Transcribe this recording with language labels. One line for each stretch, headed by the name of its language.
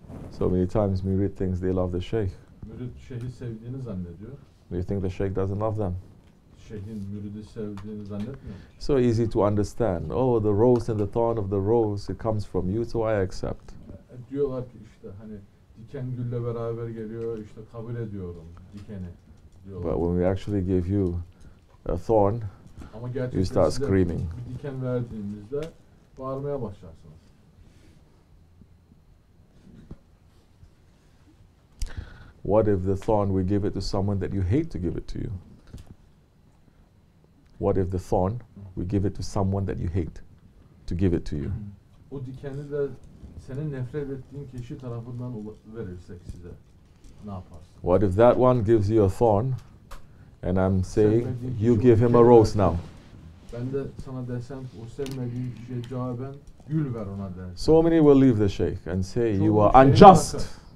English: So many times mürit thinks they love the Sheikh.
Turkish: Mürit Şeyh'i sevdiğini zannediyor.
English: Do you think the Sheikh doesn't love them?
Turkish: Şeyh'in müridi sevdiğini zannetmiyor.
English: So easy to understand. Oh, the rose and the thorn of the rose, it comes from you, so I accept.
Turkish: Diyorlar ki işte hani diken gülle beraber geliyor, işte kabul ediyorum dikeni. Diyorlar.
English: But when we actually give you a thorn, you start screaming.
Turkish: Bir diken verdiğinizde bağırmaya başlarsınız.
English: What if the thorn we give it to someone that you hate to give it to you? What if the thorn, we give it to someone that you hate to give it to you?
Turkish: O dikeni de senin nefret ettiğin kişi tarafından verirsek size ne yaparsın?
English: What if that one gives you a thorn and I'm saying you give him a rose now?
Turkish: Ben de sana desem o sevmediğin kişiye cevaben gül ver ona dersem.
English: So many will leave the Sheikh and say you are unjust.